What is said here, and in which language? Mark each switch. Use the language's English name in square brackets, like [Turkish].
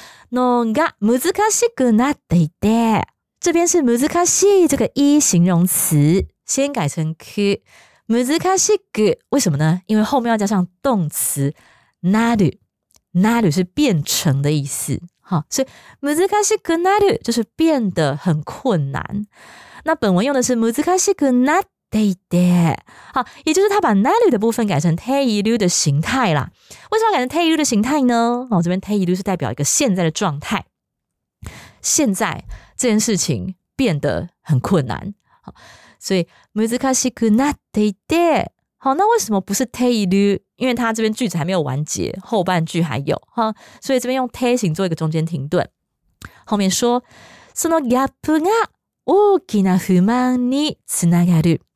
[Japanese] のが難しくなっていて， [Chinese] 这边是難しい这个一形容词，先改成く。難しく，为什么呢？因为后面要加上动词なる，なる是变成的意思，好，所以 [Japanese] 難しくなる [Chinese] 就是变得很困难。那本文用的是 [Japanese] 難しくなっていて， [Chinese] 好，也就是他把なる的部分改成ている的形态啦。为什么改成ている的形态呢？哦，这边ている是代表一个现在的状态，现在这件事情变得很困难。所以 [Japanese] 難しくなっていて， [Chinese] 好，那为什么不是ている？因为它这边句子还没有完结，后半句还有，所以这边用て形做一个中间停顿。后面说 [Japanese] そのギャップが大きな不満につながる。